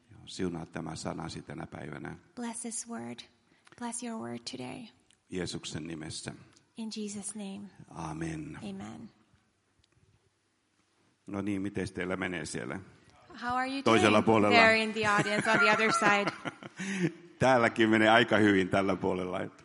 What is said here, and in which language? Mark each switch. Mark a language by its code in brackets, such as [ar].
[fi] Joo, siunaa tämä sanasi tänä päivänä. [en] Bless this word. Bless your word today. [fi] Jeesuksen nimessä. [en] In Jesus' name. [fi] Amen. [en] Amen. [fi] No niin, miten teillä menee siellä? [en] How are you doing there in the audience on the other side? [fi] Täälläkin menee aika hyvin tällä puolella.